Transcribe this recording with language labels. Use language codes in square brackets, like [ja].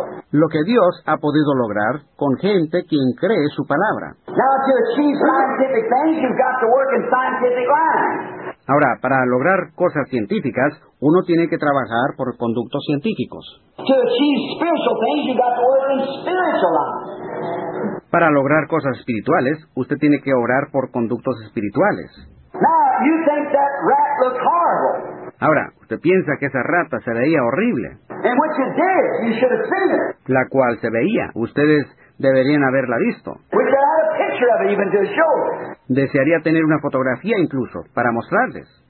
[es] Lo que Dios ha podido lograr con gente quien cree su palabra. [en] Now, to achieve scientific things, you've got to work in scientific lines. [es] Ahora, para lograr cosas científicas, uno tiene que trabajar por conductos científicos. [en] To achieve spiritual things, you've got to work in spiritual lines. [es] Para lograr cosas espirituales, usted tiene que orar por conductos espirituales. [en] Now, you think that rat looks horrible. [es] Ahora, usted piensa que esa rata se veía horrible. [en] And what you did, you should have seen it. [es] La cual se veía. Ustedes deberían haberla visto. [en] We should have a picture of it even to show. [es] Desearía tener una fotografía incluso, para mostrarles.